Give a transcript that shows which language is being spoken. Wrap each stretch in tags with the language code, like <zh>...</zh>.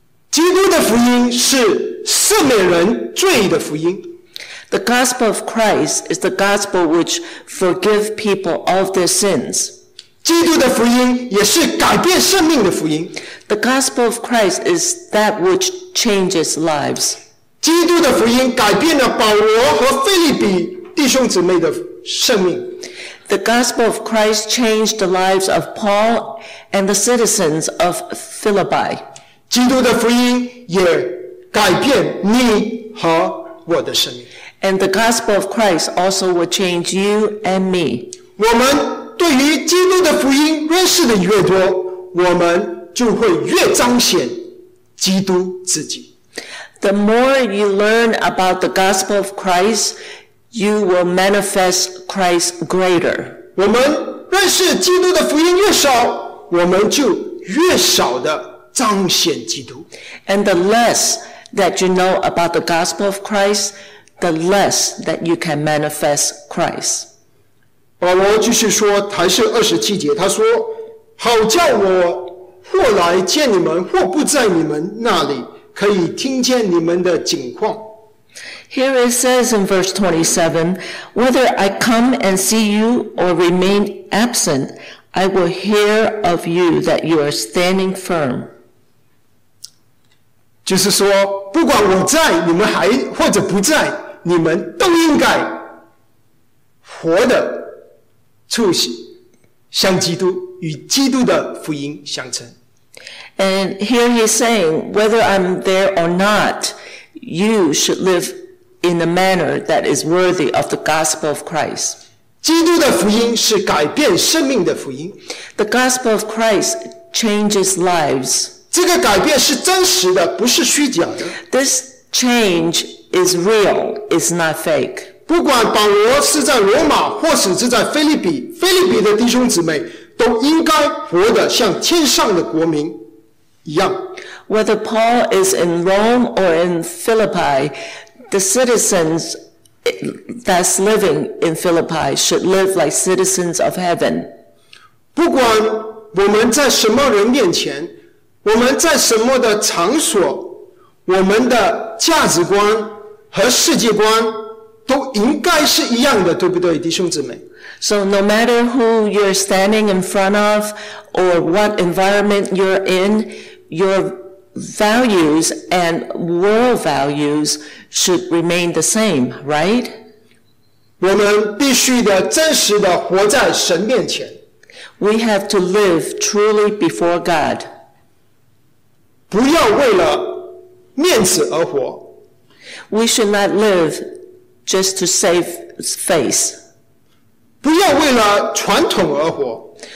<zh>基督的福音是赦免人罪的福音。</zh> <en>The gospel of Christ is the gospel which forgives people of their sins.</en> <zh>基督的福音也是改变生命的福音。</zh> <en>The gospel of Christ is that which changes lives.</en> <zh>基督的福音改变了保罗和腓立比弟兄姊妹的生命。</zh> <en>The gospel of Christ changed the lives of Paul and the citizens of Philippi.</en> <zh>基督的福音也改变你和我的生命。</zh> <en>And the gospel of Christ also will change you and me.</en> <zh>我们对于基督的福音认识的越多，我们就会越彰显基督自己。</zh> <en>The more you learn about the gospel of Christ, you will manifest Christ greater.</en> <zh>我们认识基督的福音越少，我们就越少的彰显基督。</zh> <en>And the less that you know about the gospel of Christ, the less that you can manifest Christ.</en> <zh>保罗继续说，还是二十七节，他说：“好叫我或来见你们，或不在你们那里。” 可以听见你们的景况。</zh> <en>Here it says in verse 27, Whether I come and see you or remain absent, I will hear of you that you are standing firm.</en> <zh>就是说，不管我在，你们还或者不在，你们都应该活得出像基督，与基督的福音相称。</zh> <en>And here he's saying, whether I'm there or not, you should live in a manner that is worthy of the gospel of Christ.</en> <zh>基督的福音是改变生命的福音。</zh> <en>The gospel of Christ changes lives.</en> <zh>这个改变是真实的，不是虚假的。</zh> <en>This change is real, it's not fake.</en> <zh>不管保罗是在罗马，或者是在腓立比，腓立比的弟兄姊妹都应该活得像天上的国民。</zh> <en>Whether Paul is in Rome or in Philippi, the citizens that's living in Philippi should live like citizens of heaven.</en> <zh>不管我们在什么人面前，我们在什么的场所，我们的价值观和世界观都应该是一样的，对不对，弟兄姊妹？</zh> <en>So no matter who you're standing in front of or what environment you're in, your values and world values should remain the same, right?</en> <zh>我们必须的真实的活在神面前。</zh> <en>We have to live truly before God.</en> <zh>不要为了面子而活。</zh> <en>We should not live just to save face.</en> <zh>不要为了传统而活。</zh>